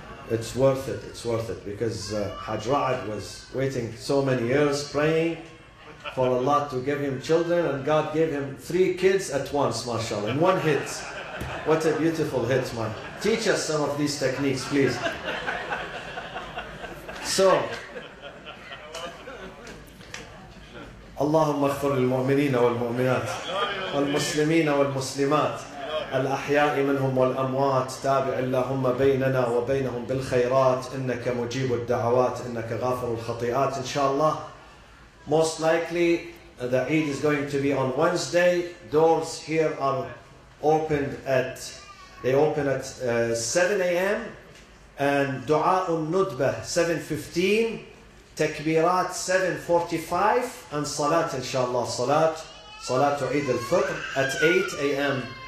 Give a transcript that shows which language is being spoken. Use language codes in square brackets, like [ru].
[en] It's worth it. It's worth it because Hajj Ra'ad was waiting so many years praying for Allah to give him children, and God gave him 3 kids at once, mashallah, in one hit. What a beautiful hit, man. Teach us some of these techniques, please. So, [ar] اللهم اغفر للمؤمنين والمؤمنات والمسلمين والمسلمات الأحياء منهم والأموات تابع اللهم بيننا وبينهم بالخيرات إنك مجيب الدعوات إنك غافر الخطيئات. إن شاء الله, [en] most likely the Eid is going to be on Wednesday. Doors here are opened at, they open at 7 a.m. [ar] and دعاء الندبة 7:15, تكبيرات 7:45, and صلاة إن شاء الله, صلاة عيد الفطر [en] at 8 a.m.